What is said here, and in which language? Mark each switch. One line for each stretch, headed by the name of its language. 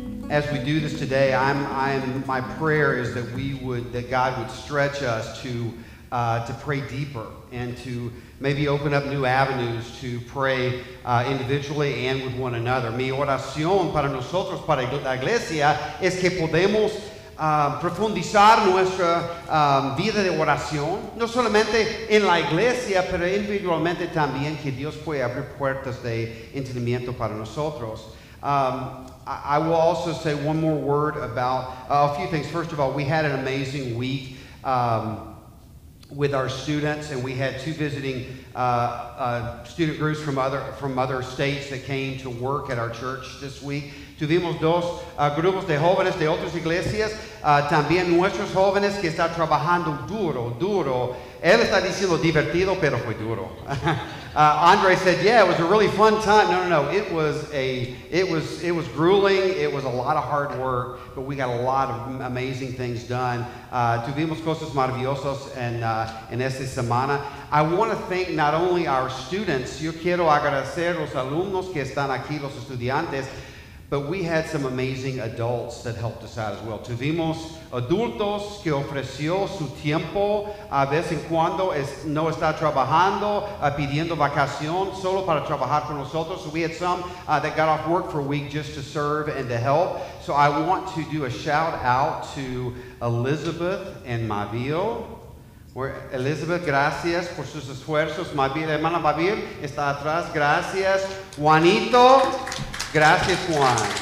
English: as we do this today, my prayer is that we would, that God would stretch us to pray deeper and to maybe open up new avenues to pray individually and with one another.
Spanish: Mi oración para nosotros, para la iglesia, es que podemos profundizar nuestra vida de oración, no solamente en la iglesia, pero individualmente también, que Dios puede abrir puertas de entendimiento para nosotros.
English: I will also say one more word about a few things. First of all, we had an amazing week with our students, and we had two visiting student groups from other states that came to work at our church this week.
Spanish: Tuvimos dos grupos de jóvenes de otras iglesias, también nuestros jóvenes que están trabajando duro, duro. Él está diciendo divertido, pero fue duro.
English: Andre said, "Yeah, it was a really fun time." No. It was grueling. It was a lot of hard work, but we got a lot of amazing things done.
Spanish: Tuvimos cosas maravillosas en esta semana.
English: I want to thank not only our students.
Spanish: Yo quiero agradecer los alumnos que están aquí, los estudiantes.
English: But we had some amazing adults that helped us out as well.
Spanish: Tuvimos adultos que ofreció su tiempo a vez en cuando no está trabajando, pidiendo vacación solo para trabajar con nosotros.
English: So we had some that got off work for a week just to serve and to help. So I want to do a shout out to Elizabeth and Mabel. Where
Spanish: Elizabeth, gracias por sus esfuerzos. Mabel, hermana Mabel, está atrás. Gracias. Juanito. Gracias, Juan.